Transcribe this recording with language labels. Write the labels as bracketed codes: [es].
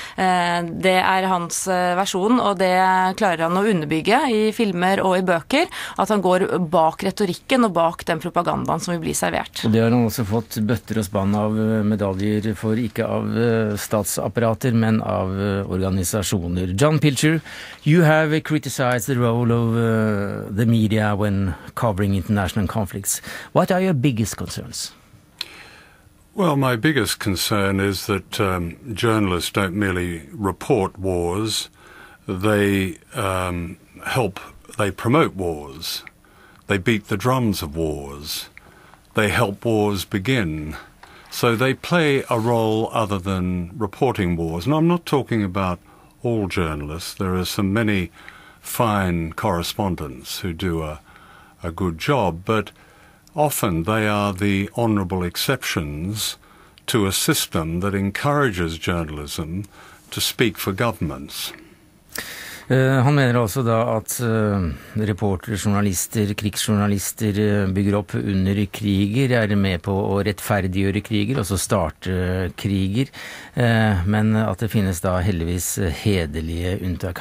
[no] Det er hans versjon, og det klarer han å underbygge i filmer og i bøker, at han går bak retorikken og bak den propagandaen som vil bli servert. Og det har han også fått bøtter og spann av medaljer for, ikke av statsapparater, men av organisasjoner. [en] John Pilcher, you have criticized the role of the media when covering international conflicts. What are your biggest concerns? Well, my biggest concern is that journalists don't merely report wars, they promote wars, they beat the drums of wars, they help wars begin. So they play a role other than reporting wars. And I'm not talking about all journalists, there are so many fine correspondents who do a good job, but often they are the honorable exceptions to a system that encourages journalism to speak for governments. [no] Han mener altså da at reporter, journalister, krigsjournalister bygger opp under kriger, er med på å rettferdiggjøre kriger, altså starte kriger, men at det finnes da heldigvis hederlige unntak.